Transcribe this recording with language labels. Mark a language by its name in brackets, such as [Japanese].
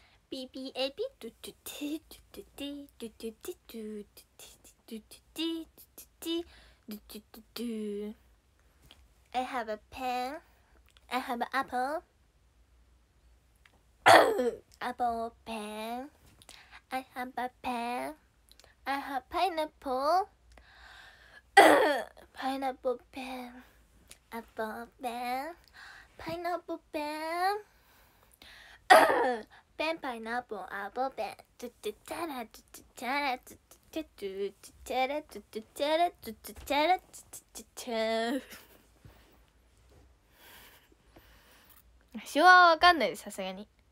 [English] PPAP トゥトゥティトゥトゥティトゥトゥティトゥトゥティトゥトゥティトゥティトゥトゥトゥトゥ。 I have a pen, I have an apple, apple pen, I have a pen, I have pineapple, pineapple pen, apple pen, pineapple pen. ペンパイナップルアボペン、トゥトゥチャラトゥトゥチャラトゥトゥチャラトゥチャラトゥチャラトゥチャラトゥチャラトゥチャラ。 [Japanese] 手話はわかんないです、さすがに。